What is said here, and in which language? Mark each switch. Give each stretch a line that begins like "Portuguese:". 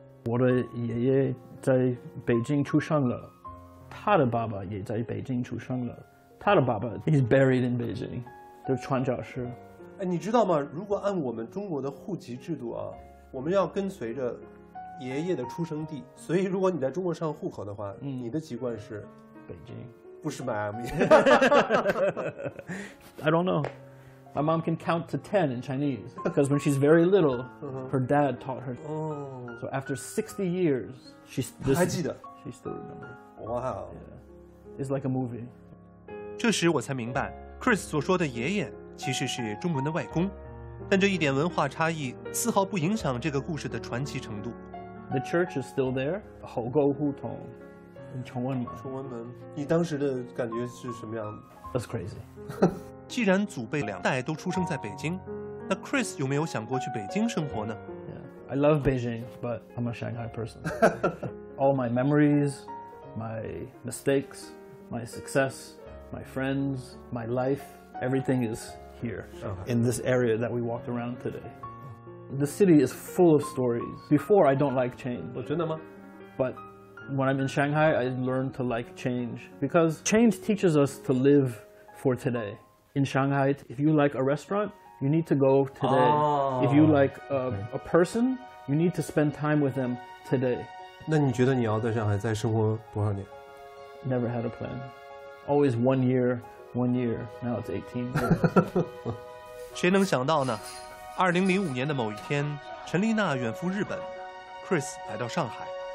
Chinese: 我的爷爷在北京出生了，他的爸爸也在北京出生了，他的爸爸
English: is buried in Beijing，
Chinese: 的传教士。哎，你知道吗？如果按我们中国的户籍制度啊。我们要跟随着爷爷的出生地，所以如果你在中国上户口的话，你的籍贯是北京，不是迈阿密。
English: I don't know. My mom can count to 10 in Chinese because when she's very little, her dad taught her. So after 60 years, she's this,
Chinese: 还记得
English: ，she still remembers. Wow, yeah. It's like a movie.
Chinese: 这时我才明白 ，Chris 所说的爷爷其实是中文的外公。但这一点文化差异丝毫不影响这个故事的传奇程度。
English: The church is still there,
Chinese: 后沟胡同，崇文门。崇文门，你当时的感觉是什么样的
English: ？That's crazy.
Chinese: 既然祖辈两代都出生在北京，那 Chris 有没有想过去北京生活呢
English: ？Yeah, I love Beijing, but I'm a Shanghai person. All my memories, my mistakes, my success, my friends, my life, everything is. Here, in this area that we walked around today. The city is full of stories. Before, I don't like change.
Chinese: Oh, 真的吗?
English: But when I'm in Shanghai, I learn to like change. Because change teaches us to live for today. In Shanghai, if you like a restaurant, you need to go today. Oh. If you like a person, you need to spend time with them today.
Chinese: 那你觉得你要在上海再生活多少年?
English: Never had a plan. Always 1 year. One year, now it's 18.
Chinese: 谁能想到呢？2005年的某一天，陈丽娜远赴日本 ，Chris 来到上海。